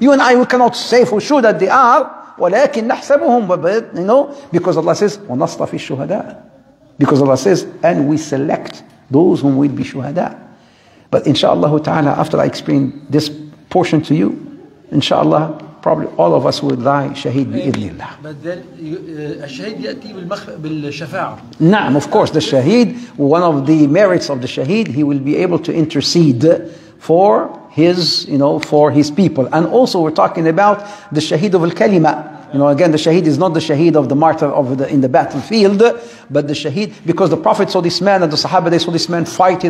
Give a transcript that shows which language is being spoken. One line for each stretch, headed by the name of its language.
English: You and I, we cannot say for sure that they are.
Arabic: ولكن نحسبهم,
English: but you know, because Allah says
Arabic: ونصطفي الشهداء.
English: Because Allah says, and we select those whom will be shuhada. But inshallah ta'ala, after I explain this portion to you, inshallah, probably all of us will die shaheed
Arabic: بإذن الله.
English: But then
Arabic: الشهيد يأتي بالشفاعة.
English: نعم, of course, the shaheed, one of the merits of the shaheed, he will be able to intercede for his, you know, for his people. And also we're talking about the shaheed of al-kalima. You know, again, the shaheed is not the shaheed of the martyr of the in the battlefield, but the shaheed, because the Prophet saw this man and the Sahaba, they saw this man fighting.